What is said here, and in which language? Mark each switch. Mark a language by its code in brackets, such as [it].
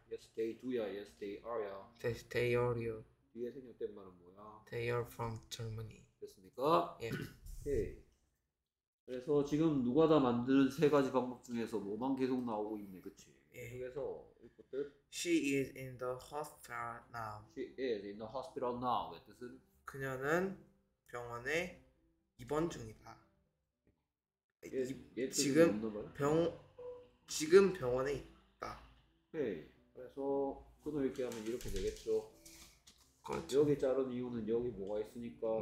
[en] Yes they do야 Yes they are야 They are you. [ko] 뒤에 생략된 말은 뭐야? [en] They are from Germany. [ko] 됐습니까? 예. 오케이 그래서 지금 누가 다 만드는 세 가지 방법 중에서 뭐만 계속 나오고 있네, 그치? 예. 계속해서 읽고 뜻. [en] She is in the hospital now. She is in the hospital now. [ko] 왜 뜻은? 그녀는 병원에 입원 중이다. 얘 뜻은 왜 없는 거야? 지금 병원에 있다. 오케이. 그래서 끊어읽기 하면 이렇게 되겠죠. 그렇죠. 여기 자른 이유는 여기 뭐가 있으니까,